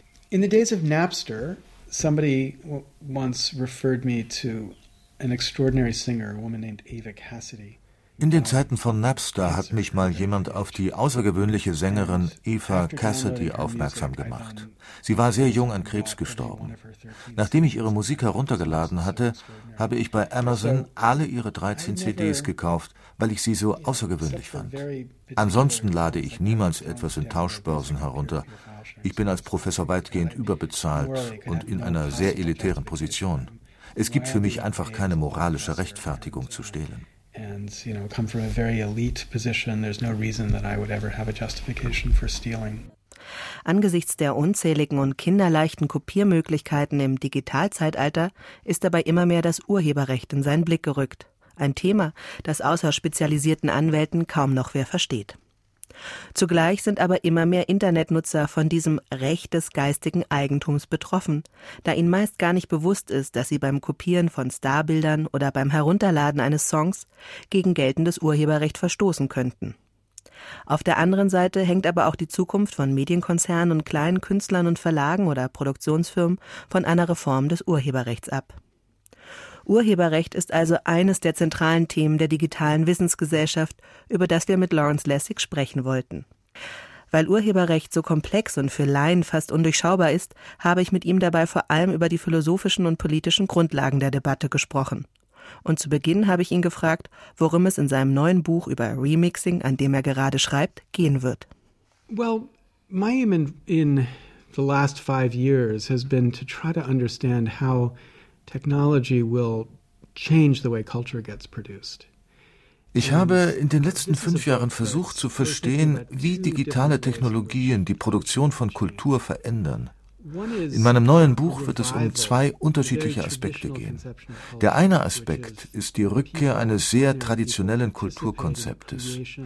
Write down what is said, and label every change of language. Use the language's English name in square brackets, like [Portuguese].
[English] In the days of Napster, somebody once referred me to an extraordinary singer, a woman named Ava Cassidy. [German] In den Zeiten von Napster hat mich mal jemand auf die außergewöhnliche Sängerin Ava Cassidy aufmerksam gemacht. Sie war sehr jung an Krebs gestorben. Nachdem ich ihre Musik heruntergeladen hatte, habe ich bei Amazon alle ihre 13 CDs gekauft, weil ich sie so außergewöhnlich fand. Ansonsten lade ich niemals etwas in Tauschbörsen herunter. Ich bin als Professor weitgehend überbezahlt und in einer sehr elitären Position. Es gibt für mich einfach keine moralische Rechtfertigung zu stehlen. [English] And you know, come from a very elite position. There's no reason that I would ever have a justification for stealing. [German] Angesichts der unzähligen und kinderleichten Kopiermöglichkeiten im Digitalzeitalter ist dabei immer mehr das Urheberrecht in seinen Blick gerückt. Ein Thema, das außer spezialisierten Anwälten kaum noch wer versteht. Zugleich sind aber immer mehr Internetnutzer von diesem Recht des geistigen Eigentums betroffen, da ihnen meist gar nicht bewusst ist, dass sie beim Kopieren von Starbildern oder beim Herunterladen eines Songs gegen geltendes Urheberrecht verstoßen könnten. Auf der anderen Seite hängt aber auch die Zukunft von Medienkonzernen und kleinen Künstlern und Verlagen oder Produktionsfirmen von einer Reform des Urheberrechts ab. Urheberrecht ist also eines der zentralen Themen der digitalen Wissensgesellschaft, über das wir mit Lawrence Lessig sprechen wollten. Weil Urheberrecht so komplex und für Laien fast undurchschaubar ist, habe ich mit ihm dabei vor allem über die philosophischen und politischen Grundlagen der Debatte gesprochen. Und zu Beginn habe ich ihn gefragt, worum es in seinem neuen Buch über Remixing, an dem er gerade schreibt, gehen wird. [English] Well, my aim in the last 5 years has been to try to understand how technology will change the way culture gets produced. [German] Ich habe in den letzten 5 Jahren versucht zu verstehen, wie digitale Technologien die Produktion von Kultur verändern. In meinem neuen Buch wird es um 2 unterschiedliche Aspekte gehen. Der eine Aspekt ist die Rückkehr eines sehr traditionellen Kulturkonzeptes.